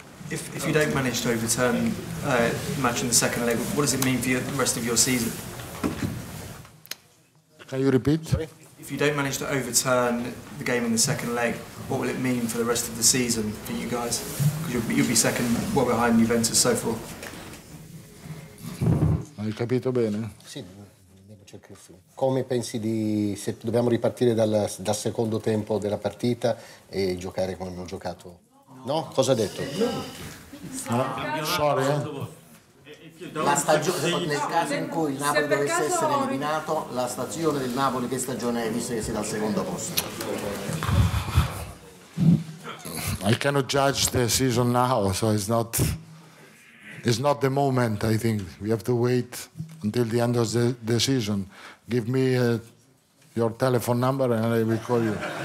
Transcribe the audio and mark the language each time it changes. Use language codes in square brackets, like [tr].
[en] If you don't manage to overturn a match in the second leg, what does it mean for the rest of your season? Can you repeat? Sorry? If you don't manage to overturn the game in the second leg, what will it mean for the rest of the season for you guys? Because you'll be second, well behind Juventus so far. [it] Hai capito bene? Sì. Come pensi di se dobbiamo ripartire dal secondo tempo della partita e giocare come hanno giocato? No? Cosa ha detto? [en] Sorry. [it] La stagione, nel caso in cui il Napoli dovesse essere eliminato, la stagione del Napoli che stagione è, visto che sei dal secondo posto? [en] I cannot judge the season now, so it's not the moment. I think we have to wait until the end of the season. Give me your telephone number and I will call you.